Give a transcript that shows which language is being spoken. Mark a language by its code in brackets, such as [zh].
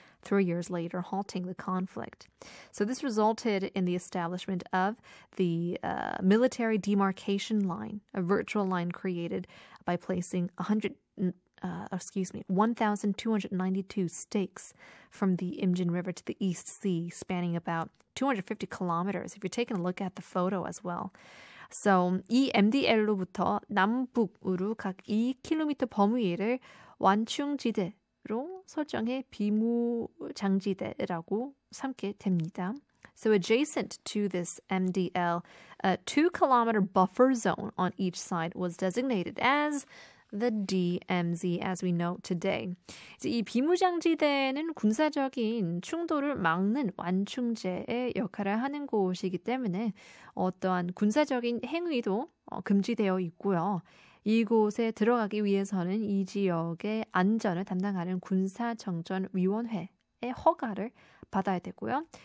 [en] 3 years later, halting the conflict. So this resulted in the establishment of the military demarcation line, a virtual line created by placing 1,292 stakes from the Imjin River to the East Sea, spanning about 250 kilometers, if you're taking a look at the photo as well. [ko] So 이 MDL로부터 남북으로 각 2km 범위를 완충지대, 로 설정해 비무장지대라고 삼게 됩니다. [en] So adjacent to this MDL, a 2-kilometer buffer zone on each side was designated as the DMZ, as we know today. [ko] 이제 이 비무장지대는 군사적인 충돌을 막는 완충제의 역할을 하는 곳이기 때문에 어떠한 군사적인 행위도 금지되어 있고요. 이곳에 들어가기 위해서는 이 지역의 안전을 담당하는 군사정전위원회의 허가를 받아야 되고요.